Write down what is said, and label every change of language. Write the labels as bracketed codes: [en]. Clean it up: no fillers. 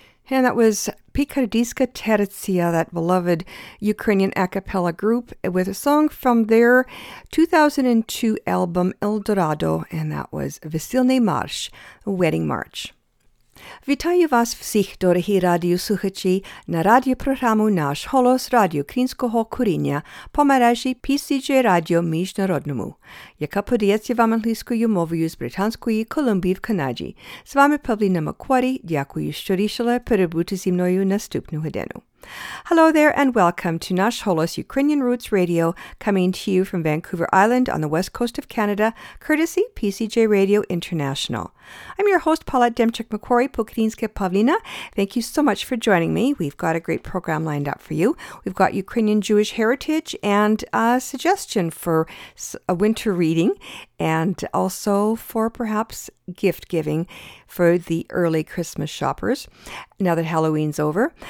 [en] And that was Pikardiska Tertsia, that beloved Ukrainian a cappella group, with a song from their 2002 album El Dorado, and that was Veselny Marsh, Wedding March. [uk] Вітаю вас всіх, дорогі радіослухачі, на радіопрограму «Наш голос» Радіо Українського коріння по мережі PCJ Радіо Міжнародному, яка подається вам англійською мовою з Британської Колумбії в Канаді. З вами Павліна Макварі. Дякую, що рішили перебути зі мною наступну годину. [en] Hello there and welcome to Nash Holos Ukrainian Roots Radio, coming to you from Vancouver Island on the west coast of Canada, courtesy PCJ Radio International. I'm your host, Paulette Demchuk-Macquarie, Pokrinska Pavlina. Thank you so much for joining me. We've got a great program lined up for you. We've got Ukrainian Jewish heritage and a suggestion for a winter reading, and also for perhaps gift giving for the early Christmas shoppers, now that Halloween's over.